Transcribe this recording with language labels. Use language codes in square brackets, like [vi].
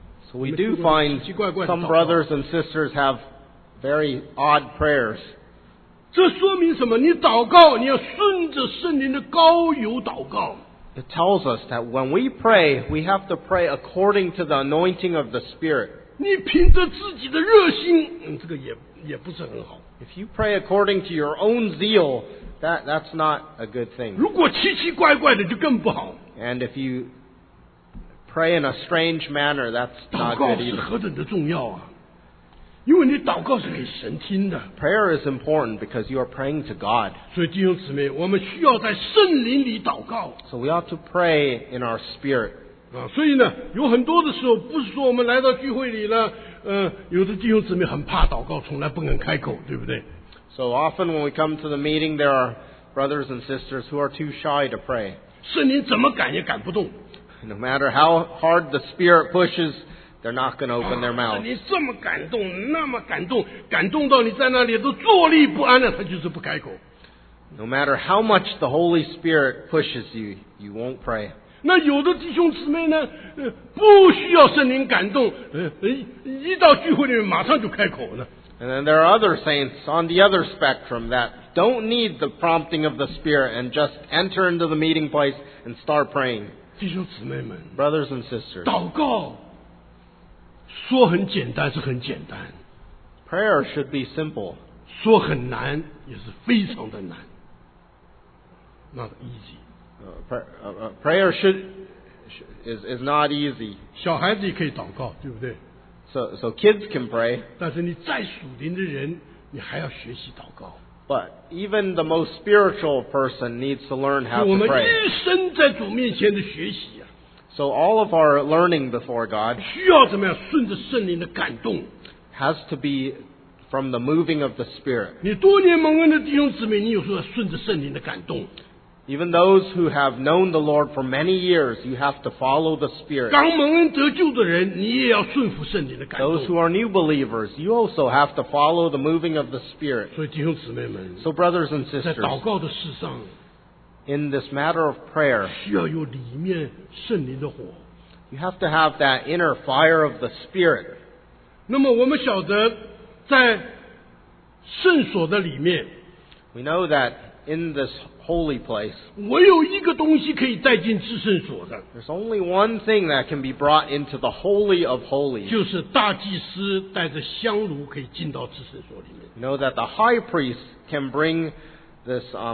[en] So we do find some brothers and sisters have very odd prayers. [zh] 这说明什么？你祷告，你要顺着圣灵的膏油祷告。 [en] It tells us that when we pray, we have to pray according to the anointing of the Spirit. [zh] 你凭着自己的热心，这个也不是很好。 [en] If you pray according to your own zeal, that's not a good thing. [zh] 如果奇奇怪怪的就更不好。 [en] And if you pray in a strange manner, that's not good either. [zh] 祷告是何等的重要啊！因为你祷告是给神听的。 [en] Prayer is important because you are praying to God. [zh] 所以弟兄姊妹，我们需要在圣灵里祷告。 [en] So we ought to pray in our spirit. [zh] 啊，所以呢，有很多的时候，不是说我们来到聚会里呢，有的弟兄姊妹很怕祷告，从来不肯开口，对不对？ [en] So often when we come to the meeting, there are brothers and sisters who are too shy to pray. [zh] 圣灵怎么赶也赶不动。 [en] No matter how hard the Spirit pushes, they're not going to open their mouth. [zh] 圣灵这么感动，那么感动，感动到你在那里都坐立不安了，他就是不开口。 [en] No matter how much the Holy Spirit pushes you, you won't pray. [zh] 那有的弟兄姊妹呢，不需要圣灵感动，一到聚会里面马上就开口了。 [en] And then there are other saints on the other spectrum that don't need the prompting of the Spirit and just enter into the meeting place and start praying. [zh] 弟兄姊妹们 [en] brothers and sisters, [zh] 祷告说很简单是很简单。 [en] Prayer should be simple. [zh] 说很难也是非常的难。 [en] Not easy. Prayer is not easy. [zh] 小孩子也可以祷告，对不对？ [en] So kids can pray. [zh] 但是你再属灵的人，你还要学习祷告。 [en] But even the most spiritual person needs to learn how to pray. [zh] 我们一生在主面前的学习啊。 [en] So all of our learning before God [zh] 需要怎么样？顺着圣灵的感动。 [en] Has to be from the moving of the Spirit. [zh] 你多年蒙恩的弟兄姊妹，你有时候要顺着圣灵的感动。 [en] Even those who have known the Lord for many years, you have to follow the Spirit. [zh] 刚蒙恩得救的人，你也要顺服圣灵的感动。 [en] Those who are new believers, you also have to follow the moving of the Spirit. [zh] 所以弟兄姊妹们 [en] ，So brothers and sisters, [zh] 在祷告的事上 [en] ，in this matter of prayer, [zh] 需要有里面圣灵的火。 [en] You have to have that inner fire of the Spirit. [zh] 那么我们晓得，在圣所的里面 [en] ，we know that in this Holy place. [zh] 我有一个东西可以带进至圣所的。 [en] There's only one thing that can be brought into the Holy of Holies. [zh] 就是大祭司带着香炉可以进到至圣所里面。 [en] You know that the high priest can bring this